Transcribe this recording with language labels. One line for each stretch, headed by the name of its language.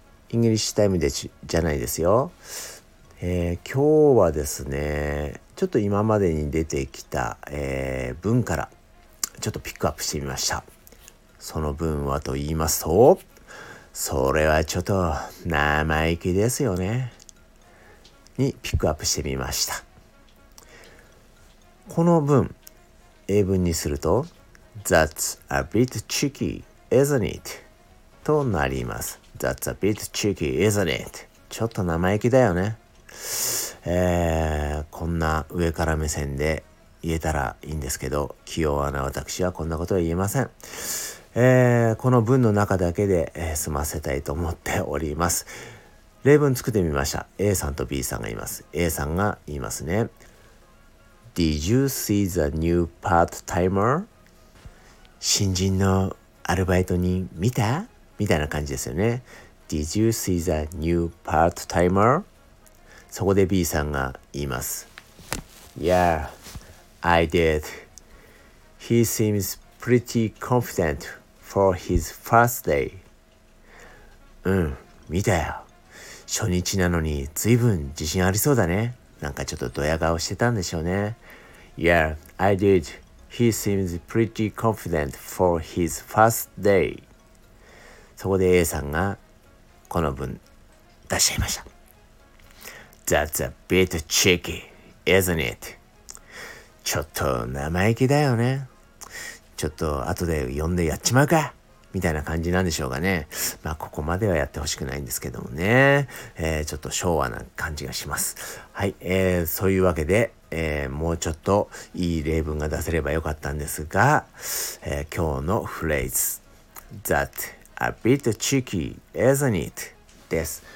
Japanese: English time でじゃないですよ。今日はですね、ちょっと今までに出てきた、文からちょっとピックアップしてみました。その文はと言いますと、それはちょっと生意気ですよね。にピックアップしてみました。この文、英文にすると
English: That's a bit cheeky, isn't it?
Japanese: となります。
English: That's a bit cheeky, isn't it?
Japanese: ちょっと生意気だよね。こんな上から目線で言えたらいいんですけど、器用な私はこんなことは言えません。この文の中だけで、済ませたいと思っております。例文作ってみました。A さんと B さんがいます。 A さんが言いますね。
English: Did you see the new part-timer?
Japanese: 新人のアルバイト人見た?みたいな感じですよね。
English: Did you see the new part-timer?
Japanese: そこで B さんが言います。
English: Yeah, I did. He seems pretty confident for his first day.
Japanese: うん、見たよ。初日なのに随分自信ありそうだね。なんかちょっとドヤ顔してたんでしょうね。
English: Yeah, I did. He seems pretty confident for his first day.
Japanese: そこで A さんがこの文出しちゃいました。
English: That's a bit cheeky, isn't it?
Japanese: ちょっと生意気だよね。ちょっと後で呼んでやっちまうか。みたいな感じなんでしょうかね。まあここまではやってほしくないんですけどもね。ちょっと昭和な感じがします。はい、そういうわけで、もうちょっといい例文が出せればよかったんですが、今日のフレーズ
English: That a bit cheeky, isn't it?
Japanese: です。